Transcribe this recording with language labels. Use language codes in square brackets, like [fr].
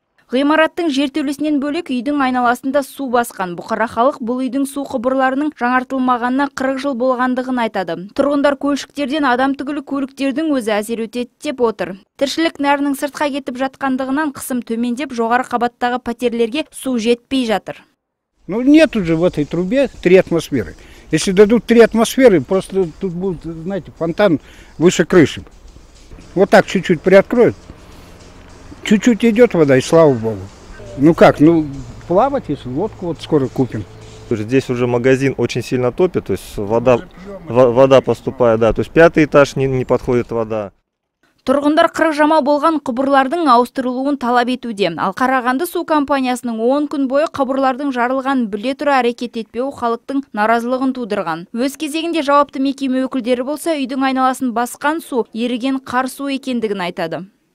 [kk] Ғимараттың жертөлесінен бөлек үйдің айналасында су басқан. Бұқара халық бұл үйдің су құбырларының жаңартылмағанына 40 жыл болғандығын айтады. Тұрғындар көлшіктерден адам түгілі көліктердің өзі әзер өтеді деп отыр. Тіршілік нәрінің сыртқа кетіп жатқандығынан қысым төмендеп, жоғары қабаттағы пәтерлерге су жетпей жатыр. [ru] Ну нет уже в этой трубе 3 атмосферы. Если дадут 3 атмосферы, просто тут будет, знаете, фонтан выше крыши. Вот так чуть-чуть приоткроют. Чуть-чуть идет вода, и слава богу. Ну как, ну плавать, если лодку вот скоро купим. Здесь уже магазин очень сильно топит, то есть вода поступает, да. То есть пятый этаж не подходит вода. [kk] Тұрғындар қырық жама болған құбырлардың ауыстырылуын талап етуде. Ал Қарағанды су компаниясының 10 күн бойы құбырлардың жарылған біле тұра әрекет етпеуі халықтың наразылығын тудырған. Өз кезегінде жауапты мекеме өкілдері болса, үйдің айналасын басқан су еріген қар су екендігін айтады.